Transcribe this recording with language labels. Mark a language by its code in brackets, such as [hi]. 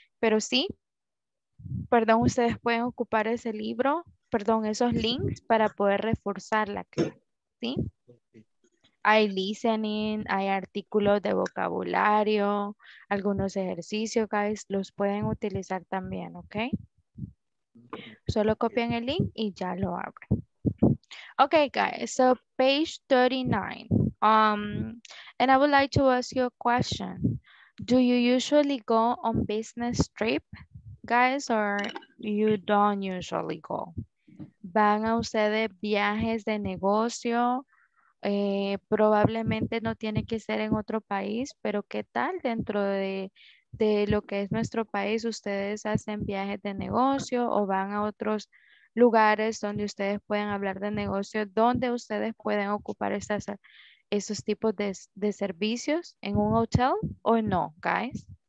[es] Pero sí, perdón, ustedes pueden ocupar ese libro, perdón, esos links para poder reforzar la clase, ¿sí? Hay listening, hay artículos de vocabulario, algunos ejercicios, guys, los pueden utilizar también, ¿ok? Solo copian el link y ya lo abro. [en] Okay, guys, so page 39. And I would like to ask you a question. Do you usually go on business trip, guys, or you don't usually go? [es] ¿Van a ustedes viajes de negocio? Probablemente no tiene que ser en otro país, pero ¿qué tal dentro de lo que es nuestro país, ustedes hacen viajes de negocio o van a otros lugares donde ustedes pueden hablar de negocio, donde ustedes pueden ocupar esos tipos de servicios en un hotel o no, guys?